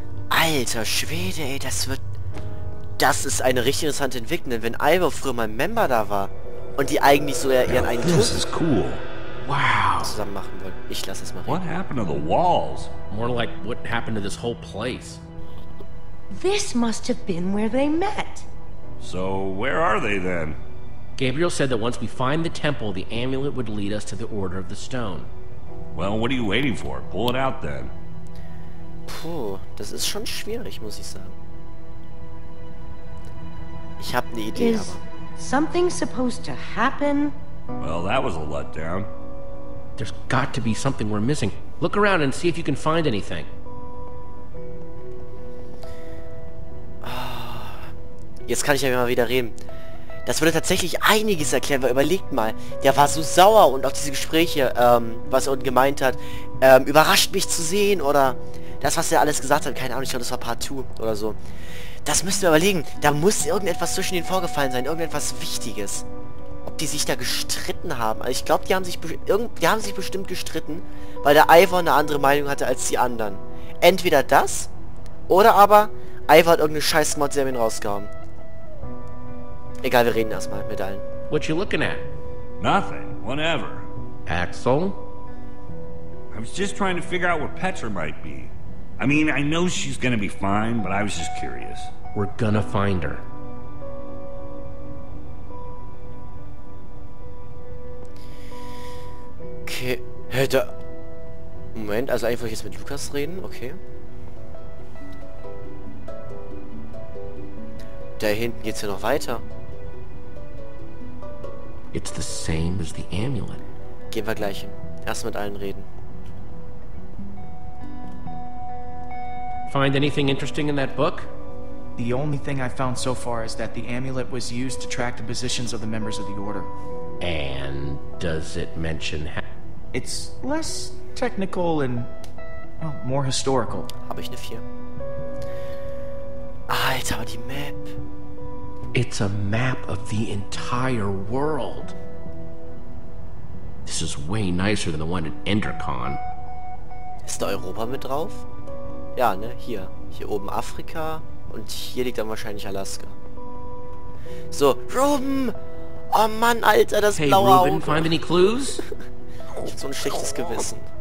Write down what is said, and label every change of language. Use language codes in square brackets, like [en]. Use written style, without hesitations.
[de] Alter Schwede, ey, das wird... Das ist eine richtig interessante Entwicklung, wenn Ivor früher mal ein Member da war und die eigentlich so eher ihren eigenen Tod ist cool. Wow. Zusammen machen wollen. Ich lasse es mal reden. [en] What happened to the walls? More like what happened to this whole place. This must have been where they met. So where are they then? Gabriel said that once we find the temple, the amulet would lead us to the Order of the Stone. Well, what are you waiting for? Pull it out then. [de] Puh, das ist schon schwierig, muss ich sagen. Ich habe eine Idee. [en] Is something supposed to happen? Well, that was a letdown. There's got to be something we're missing. Look around and see if you can find anything. [de] Jetzt kann ich ja immer wieder reden. Das würde tatsächlich einiges erklären, weil überlegt mal, der war so sauer und auf diese Gespräche, was er unten gemeint hat, überrascht mich zu sehen oder das, was er alles gesagt hat, keine Ahnung, ich glaube, das war Part 2 oder so. Das müssen wir überlegen, da muss irgendetwas zwischen ihnen vorgefallen sein, irgendetwas Wichtiges. Ob die sich da gestritten haben, also ich glaube, die haben sich bestimmt gestritten, weil der Ivor eine andere Meinung hatte als die anderen. Entweder das, oder aber Ivor hat irgendeine scheiß Mod-Serien rausgehauen. Egal, wir reden erstmal mit allen. [en] What you looking at? Nothing. Whatever. Axel? I was just trying to figure out where Petra might be. I mean, I know she's gonna be fine, but I was just curious. We're gonna find her. [de] Okay. Hey, da... Moment, also einfach jetzt mit Lukas reden? Okay. Da hinten geht's ja noch weiter. [en] It's the same as the amulet. [de] Gehen wir gleich hin. Erst mit allen reden. [en] Find anything interesting in that book? The only thing I found so far is that the amulet was used to track the positions of the members of the order. And does it mention it's less technical and well, more historical. [de] Habe ich eine 4. Alter, aber die Map. [en] It's a map of the entire world. This is way nicer than the one in Endercon. [de] Ist da Europa mit drauf? Ja, ne, hier. Hier oben Afrika. Und hier liegt dann wahrscheinlich Alaska. So, Ruben! Oh Mann, Alter, das hey, blaue Ruben, Auge. [en] Find any clues? [de] Ich hab so ein schlechtes Gewissen.